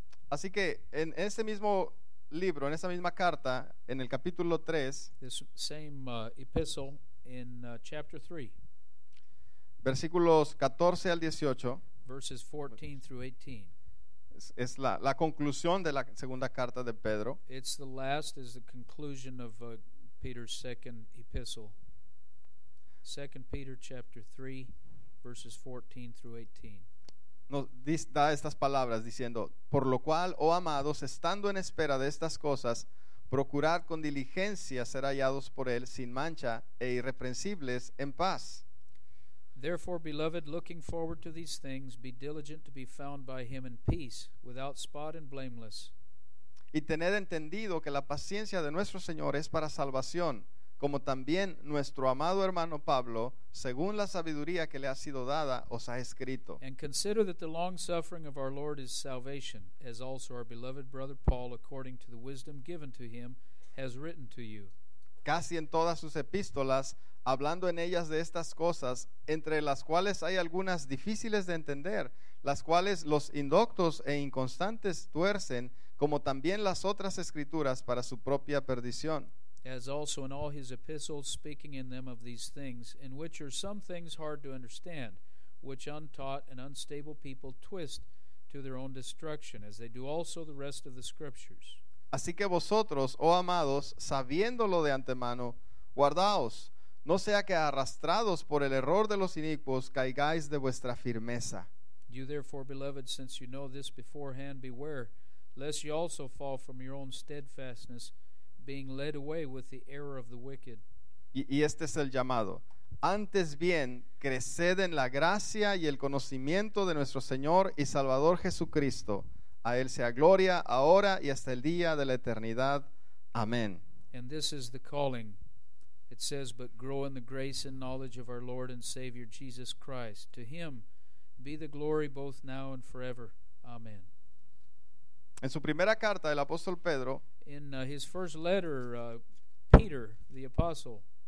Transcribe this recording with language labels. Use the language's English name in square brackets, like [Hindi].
[Spanish] Así que en ese mismo libro, en esa misma carta, en el capítulo 3, [English] this same epistle in chapter 3, [Spanish] versículos 14 al 18, [English] verses 14 through 18, [Spanish] es la conclusión de la segunda carta de Pedro. [English] It's the last, is the conclusion of Peter's second epistle. 2 Peter chapter 3, verses 14 through 18. [Spanish] Nos da estas palabras diciendo, por lo cual, oh amados, estando en espera de estas cosas, procurad con diligencia ser hallados por él sin mancha e irreprensibles en paz. [English] Therefore, beloved, looking forward to these things, be diligent to be found by him in peace, without spot and blameless. [Spanish] Y tened entendido que la paciencia de nuestro Señor es para salvación, como también nuestro amado hermano Pablo, según la sabiduría que le ha sido dada, os ha escrito. [English] And consider that the long suffering of our Lord is salvation, as also our beloved brother Paul, according to the wisdom given to him, has written to you. [Spanish] Casi en todas sus epístolas, hablando en ellas de estas cosas, entre las cuales hay algunas difíciles de entender, las cuales los indoctos e inconstantes tuercen, como también las otras escrituras para su propia perdición. [English] As also in all his epistles, speaking in them of these things, in which are some things hard to understand, which untaught and unstable people twist to their own destruction, as they do also the rest of the scriptures. [Spanish] Así que vosotros, oh amados, sabiéndolo de antemano, guardaos, no sea que arrastrados por el error de los inicuos caigáis de vuestra firmeza. [English] You therefore, beloved, since you know this beforehand, beware, lest you also fall from your own steadfastness, being led away with the error of the wicked. [Spanish] Y este es el llamado. Antes bien, creced en la gracia y el conocimiento de nuestro Señor y Salvador Jesucristo. A él sea gloria ahora y hasta el día de la eternidad. Amén. [English] And this is the calling. It says, but grow in the grace and knowledge of our Lord and Savior Jesus Christ. To him be the glory both now and forever. [Spanish] Amén. En su primera carta, el apóstol Pedro. [English] In his first letter, Peter, the apostle.